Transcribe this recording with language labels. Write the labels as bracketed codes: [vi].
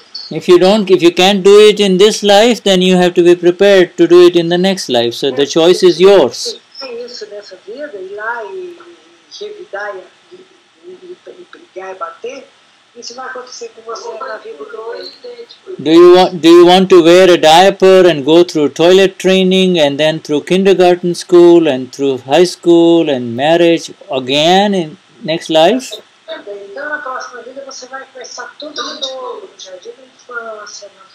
[en] If you can't do it in this life, then you have to be prepared to do it in the next life. So the choice is yours. [pt] Isso nessa vida, ir lá e revidar e brigar e bater, isso vai acontecer com você na vida que hoje. [en] Do you want to wear a diaper and go through toilet training and then through kindergarten school and through high school and marriage again in next life? [pt] Então na próxima vida você vai começar tudo de novo, jardim de infância,